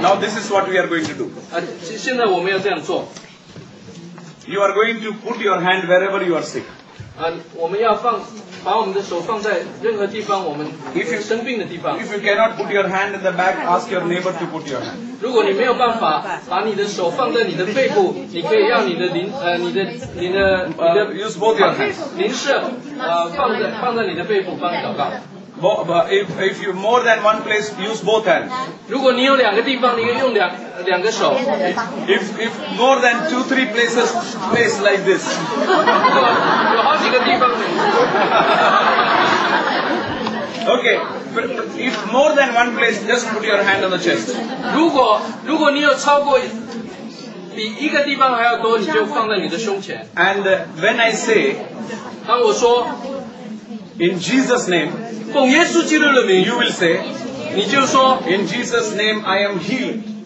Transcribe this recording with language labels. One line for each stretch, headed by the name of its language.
English: Now this is what we are going to do.
Chinese: 现在我们要这样做。
English: You are going to put your hand wherever you are sick.
Chinese: 我们要把我们的手放在任何地方，我们生病的地方。
English: If you cannot put your hand in the back, ask your neighbor to put your hand.
Chinese: 如果你没有办法把你的手放在你的背部，你可以让你的
English: use both your hands.
Chinese: 邻舍放在你的背部帮你祷告。
English: If you more than one place, use both hands.
Chinese: 如果你有两个地方，你可以用两个手。
English: If more than two, three places, place like this.
Chinese: 有好几个地方。
English: Okay, if more than one place, just put your hand on the chest.
Chinese: 如果你有超过比一个地方还要多，你就放在你的胸前。
English: And when I say,
Chinese: 当我说
English: in Jesus' name.
Chinese: 奉耶稣基督的名
English: ，You will say，
Chinese: 你就说
English: ，In Jesus' name I am healed。